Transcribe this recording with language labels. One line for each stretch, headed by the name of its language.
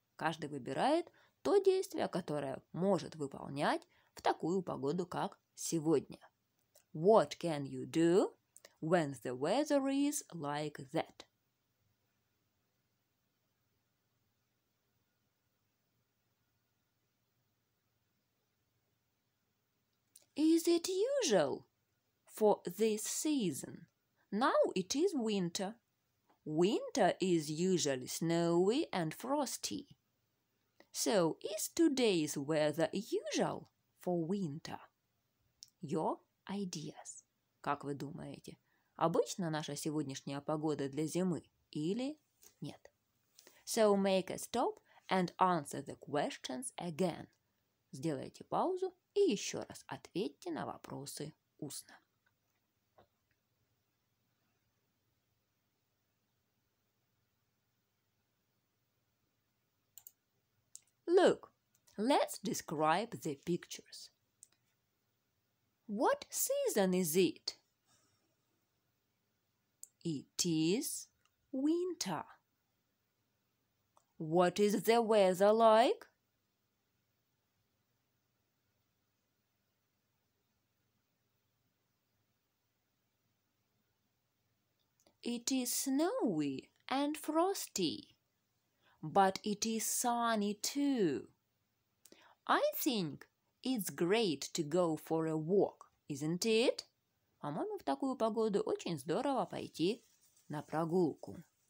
Russian: Каждый выбирает то действие, которое может выполнять в такую погоду, как сегодня.
English: What can you do when the weather is like that? Is it usual for this season? Now it is winter. Winter is usually snowy and frosty. So, is today's weather usual for winter? Your ideas.
Russian: Как вы думаете, обычно наша сегодняшняя погода для зимы или нет?
English: So, make a stop and answer the questions again.
Russian: Сделайте паузу и еще раз ответьте на вопросы устно.
English: Look, let's describe the pictures. What season is it? It is winter. What is the weather like? It is snowy and frosty. But it is sunny too. I think it's great to go for a walk, isn't it?
Russian: По-моему, в такую погоду очень здорово пойти на прогулку.